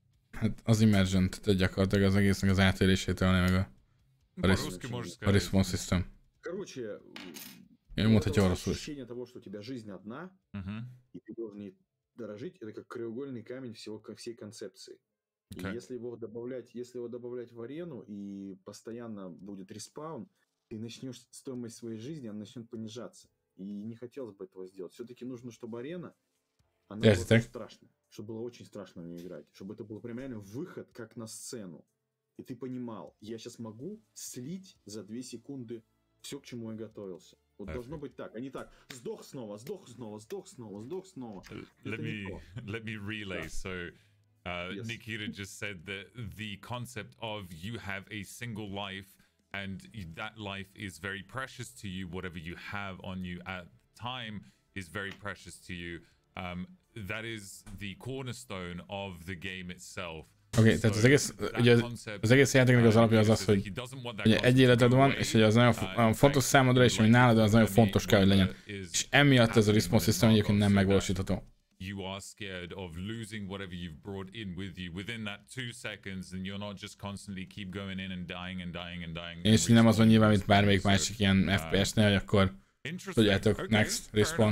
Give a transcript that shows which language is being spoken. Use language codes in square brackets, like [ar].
[hu] Hát az immersion, tehát gyakorlatilag az egésznek az átélését elni meg a response system. [ru] Короче, я ему хотел рассказать. Ощущение того, что у тебя жизнь одна, и ты должен ей дорожить, это как краеугольный камень всего, как всей концепции. Okay. И если его добавлять в арену и постоянно будет респаун, ты начнешь стоимость своей жизни, она начнет понижаться. И не хотелось бы этого сделать. Все-таки нужно, чтобы арена, она была очень страшная. Чтобы было очень страшно в ней играть, чтобы это был прям реально выход как на сцену, и ты понимал, я сейчас могу слить за 2 секунды все, к чему я готовился. Вот должно быть так, а не так. Сдох снова. [en] Let me relay. So, yes. Nikita just said that the concept of you have a single life and that life is very precious to you, whatever you have on you at the time is very precious to you. That is the cornerstone of the game itself. [hu] Okay, tehát az egész játéknak az alapja az az, hogy ugye egy életed van, és hogy az nagyon fontos számodra, és hogy nálad az nagyon fontos kell, hogy legyen. És emiatt ez a response system egyébként nem megvalósítható. [en] You are scared of losing whatever you've brought in with you within that 2 seconds, and you're not just constantly keep going in and dying and dying and dying. [hu] És nem az van nyilván, mint bármelyik másik ilyen FPS-nél, hogy akkor tudjátok, [en] okay, next, respawn.